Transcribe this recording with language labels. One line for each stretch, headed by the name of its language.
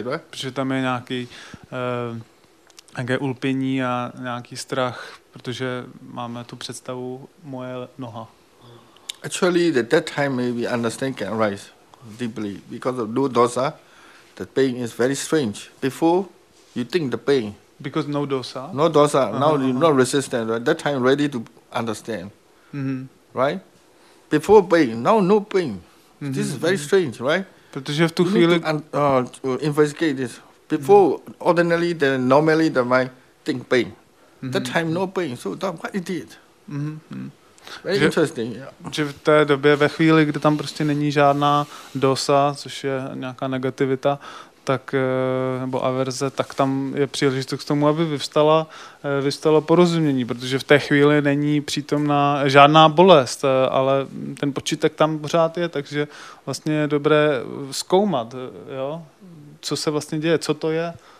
Czech: Protože tam je nějaké ulpění a nějaký strach, protože máme tu představu moje noha.
English: Actually, at that time maybe understanding can arise deeply because of no dosa, the pain is very strange. Before, you think the pain. Because no dosa. No dosa. Now you're not resistant. At that time, ready to understand. Mm-hmm. Right? Before pain, now no pain. Mm-hmm. This is very strange, right?
Czech: Protože v tu chvíli
English: investigate this before ordinarily the normally the mind think pain that time no pain so that what it did very že, interesting
Czech: že v té době ve chvíli kdy tam prostě není žádná dosa což je nějaká negativita tak nebo averze tak tam je příležitost k tomu aby vyvstalo porozumění protože v té chvíli není přítomná žádná bolest ale ten počítek tam pořád je takže vlastně je dobré zkoumat jo co se vlastně děje co to je